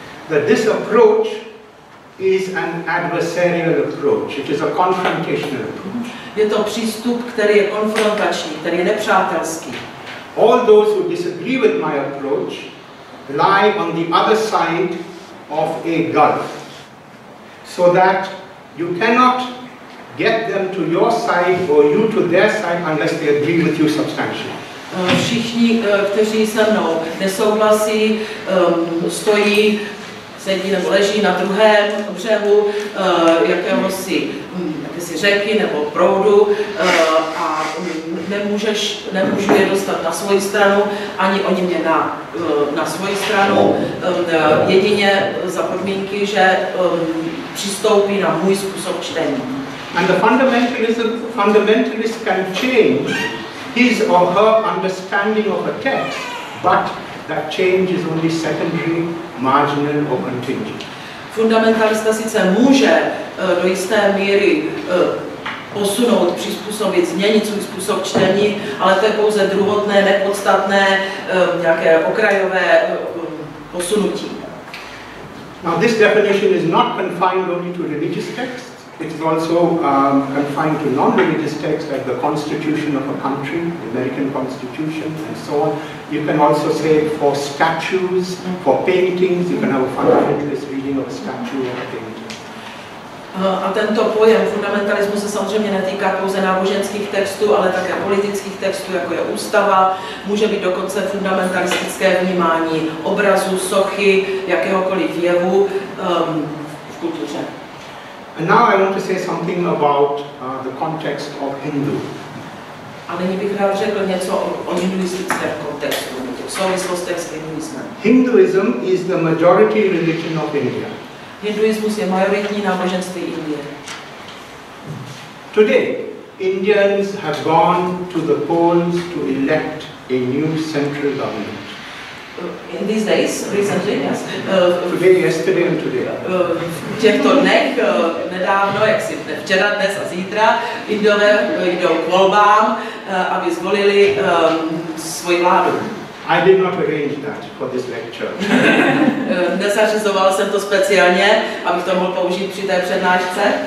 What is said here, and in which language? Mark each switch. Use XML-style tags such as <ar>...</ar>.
<en>That this approach is an adversarial approach. It is a confrontational approach.</en> <cs>Je to přístup, který je konfrontační, který je nepřátelský.</cs> <en>All those who disagree with my approach lie on the other side of a gulf, so that you cannot get them to your side or you to their side unless they agree with you substantially.</en> <cs>Všichni, kteří se mnou nesouhlasí, stojí, sedí nebo leží na druhém břehu jakési řeky nebo proudu a nemůžu je dostat na svoji stranu, ani oni mě na svoji stranu, jedině za podmínky, že přistoupí na můj způsob čtení.</cs> <en>And the fundamentalist can change his or her understanding of a text, but that change is only secondary, marginal or contingent.</en> <cs>Fundamentalista sice může do jisté míry posunout, přizpůsobit, změnit svůj způsob čtení, ale to je pouze druhotné, nepodstatné, nějaké okrajové posunutí.</cs> <en>Now this definition is not confined only to religious texts. It is also confined to non-religious texts like the constitution of a country, the American constitution and so on. You can also say for statues, for paintings, you can have a fundamentalist reading of a statue or a painting.</en> <cs>A tento pojem fundamentalismus se samozřejmě netýká pouze náboženských textů, ale také politických textů, jako je ústava, může být dokonce fundamentalistické vnímání obrazu, sochy, jakéhokoliv jevu v kultuře.</cs> <en>And now I want to say something about the context of Hindu.</en> <cs>A nyní bych rád řekl něco o hinduistickém kontextu, o souvislostech s hinduismem.</cs> <en>Hinduism is the majority religion of India.</en> <cs>Hinduismus je majoritní náboženství Indie.</cs> <en>Today, Indians have gone to the polls to elect a new central government. In these days, recently, yes. Today, yesterday and today.</en> <cs>V těchto dnech, nedávno, jak si včera, dnes a zítra, Indové jdou k volbám, aby zvolili svoji vládu.</cs> <en>I did not arrange that for this lecture.</en> <cs>Nezařizoval jsem to speciálně, abych to mohl použít při té přednášce.</cs>